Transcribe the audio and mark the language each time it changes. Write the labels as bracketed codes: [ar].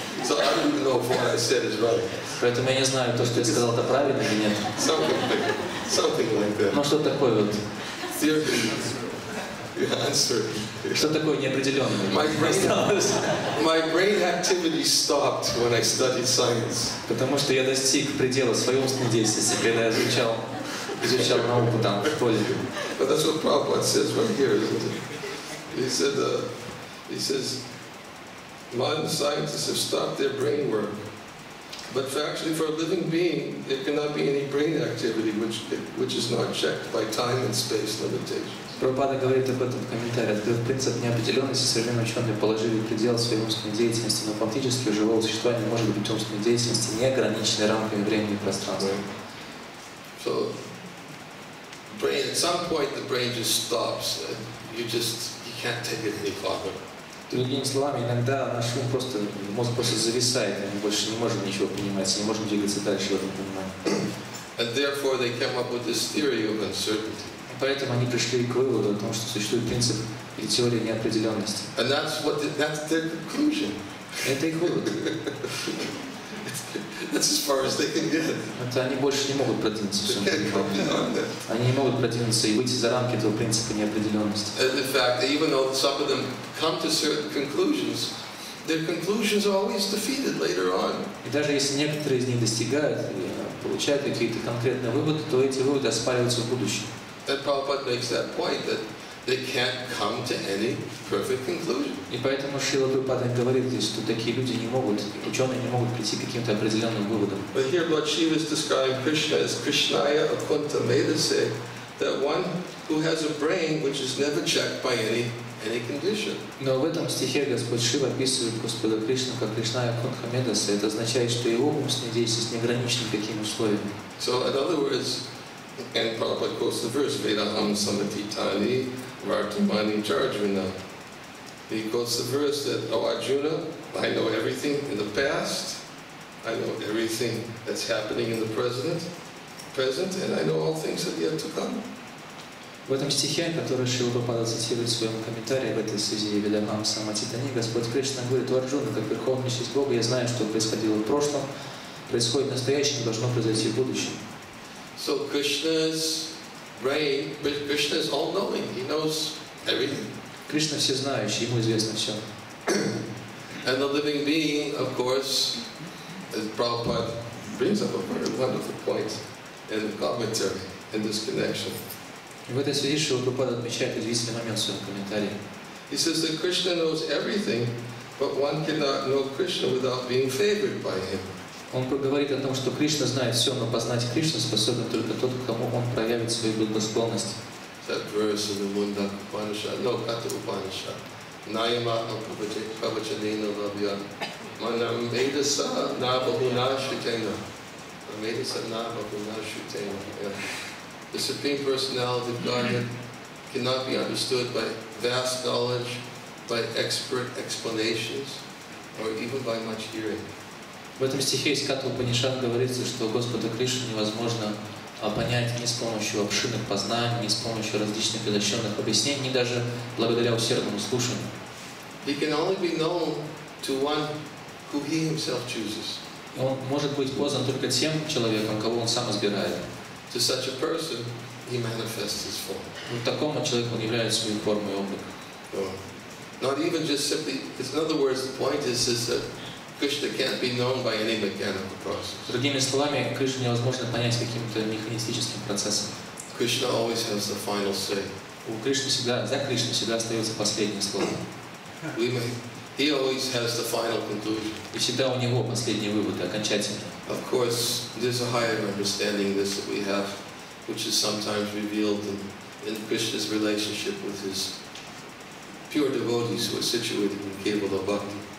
[en] So I don't know if what I said is right. [ru] Поэтому я не знаю, то, что я сказал, это правильно или нет. [en] Something like that. [ru] Ну, что такое вот? [en] Uncertain. [ru] Что такое неопределённое? [en] My brain activity stopped when I studied science. [ru] Потому что я достиг предела своей умственной деятельности, когда я изучал науку там, в школе. [en] But that's what Prabhupada says right here, isn't it? He says, modern scientists have stopped their brain work. But actually, for a living being, there cannot be any brain activity which is not checked by time and space limitations. [ru] Прабхупада говорит об этом в комментариях. Этот принцип неопределенности современные ученые положили предел своей умственной деятельности, но фактически у живого существа не может быть умственной деятельности неограниченной рамками времени и пространства. [en] So, brain. At some point, the brain just stops. Can't take it any longer. [ru] Другими словами, иногда наш ум просто мозг просто зависает, мы больше не можем ничего понимать, не можем двигаться дальше в этом понимании. [en] And therefore, they came up with this theory of uncertainty. [ru] Поэтому они пришли к выводу о том, что существует принцип или теория неопределенности. [en] And that's their conclusion. [ru] Это их вывод. [en] That's as far as they can get. [ru] Это они больше не могут продвинуться в своем пути. Они не могут продвинуться и выйти за рамки этого принципа неопределенности. [en] And in fact, even though some of them come to certain conclusions, their conclusions are always defeated later on. [ru] И даже если некоторые из них достигают и получают какие-то конкретные выводы, то эти выводы оспариваются в будущем. [en] And Prabhupada makes that point that they can't come to any perfect conclusion. [ru] И поэтому Шрила Прабхупада говорит здесь, что такие люди не могут, ученые не могут прийти к каким-то определенным выводам. [en] But here Lord Shiva is describing Krishna as [sa] Krishnaya Akunta Medase, [en] that one who has a brain which is never checked by any condition. [ru] Но в этом стихе Господь Шива описывает Господа Кришну как [sa] Кришная Акунта Медасе. [ru] Это означает, что его умственные действия с неограниченными какими условиями. [en] So in other words, and Prabhupada quotes the verse, [sa] Vedaham Samatitani Vartamani Jarjuna. [en] He quotes the verse that, oh Arjuna, I know everything in the past, I know everything that's happening in the present, and I know all things that yet to come. [ru] В этом стихе, который Шрила Прабхупада цитирует в своем комментарии в этой связи, [sa] Vedaham Samatitani, [ru] Господь Кришна говорит, о Арджуна, как Верховный Честь Бога, я знаю, что происходило в прошлом, происходит в настоящем, должно произойти в будущем. [en] So Krishna's brain, Krishna is all knowing. He knows everything. [ru] Krishna всезнающий, ему известно все. [en] And the living being, of course, as Prabhupada brings up a very wonderful point in the commentary in this connection. [ru] В этой связи Шрила Прабхупада отмечает известный момент в своем комментарии. [en] He says that Krishna knows everything, but one cannot know Krishna without being favored by him. [ru] Он говорит о том, что Кришна знает все, но познать Кришну способен только тот, кому он проявит свою благосклонность. [en] That verse in the Mundaka Upanishad, no, Katha Upanishad. [sa] Nayamatma Pravachanena Labhyam. Manamedasa Nabhunashutena. Manamedasa Nabhunashutena. [en] The Supreme Personality of Godhead cannot be understood by vast knowledge, by expert explanations, or even by much hearing. [ru] В этом стихе из Катха Упанишад говорится, что Господа Кришну невозможно понять ни с помощью обширных познаний, ни с помощью различных изощренных объяснений, ни даже благодаря усердному слушанию. [en] He can only be known to one who he himself chooses. [ru] Он может быть познан только тем человеком, кого он сам избирает. [en] To such a person he manifests his form. [ru] Вот такому человеку он являет свою форму и облик. [en] Not even just simply, in other words, the point is that Krishna can't be known by any mechanical process. [ru] Другими словами, Кришну невозможно понять каким-то механистическим процессом. [en] Krishna always has the final say. [ru] У Кришны всегда, за Кришну всегда остается последнее слово. [en] He always has the final conclusion. [ru] И всегда у него последние выводы, окончательные. [en] Of course, there's a higher understanding of this that we have, which is sometimes revealed in Krishna's relationship with his pure devotees who are situated in Kevala Bhakti.